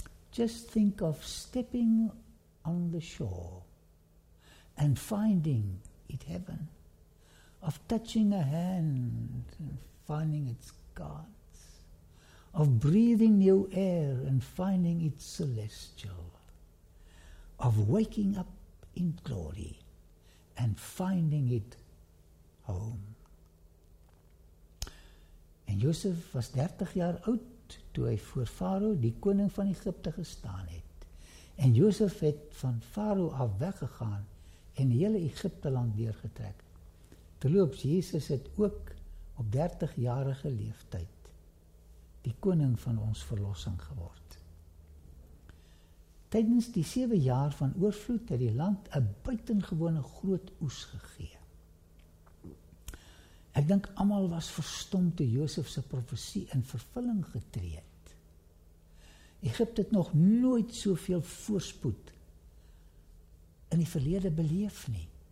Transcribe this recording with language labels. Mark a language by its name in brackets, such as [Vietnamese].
[English] Just think of stepping on the shore and finding it heaven, of touching a hand and finding it's God, of breathing new air and finding it celestial, of waking up in glory and finding it home. [Afrikaans] En Josef was 30 jaar oud toe hy voor Farao, die koning van Egypte, gestaan het. En Josef het van Farao af weggegaan en die hele Egypteland deurgetrek. Terloops, Jesus het ook op 30-jarige leeftyd die koning van ons verlossing geword. Tydens die 7 jaar van oorvloed het die land 'n buitengewone groot oes gegee. Ek dink almal was verstom toe Josef se profesie in vervulling getree het. Egipte het nog nooit soveel voorspoed in die verlede beleef nie.